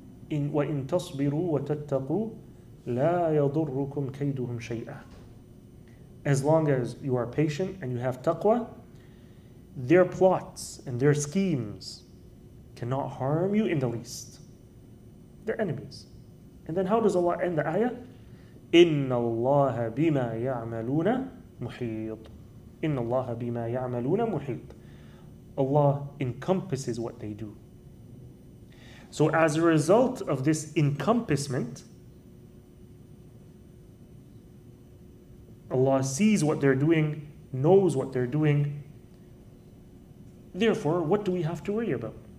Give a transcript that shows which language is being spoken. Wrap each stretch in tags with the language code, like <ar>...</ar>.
<ar>وَإِن تَصْبِرُوا وَتَتَّقُوا لَا يَضُرُّكُمْ كَيْدُهُمْ شَيْئًا</ar> <en>As long as you are patient and you have taqwa, their plots and their schemes cannot harm you in the least. They're enemies. And then how does Allah end the ayah?</en> <ar>إِنَّ اللَّهَ بِمَا يَعْمَلُونَ مُحِيطٌ إِنَّ اللَّهَ بِمَا يَعْمَلُونَ مُحِيطٌ</ar> <en>Allah encompasses what they do. So as a result of this encompassment, Allah sees what they're doing, knows what they're doing. Therefore, what do we have to worry about?</en>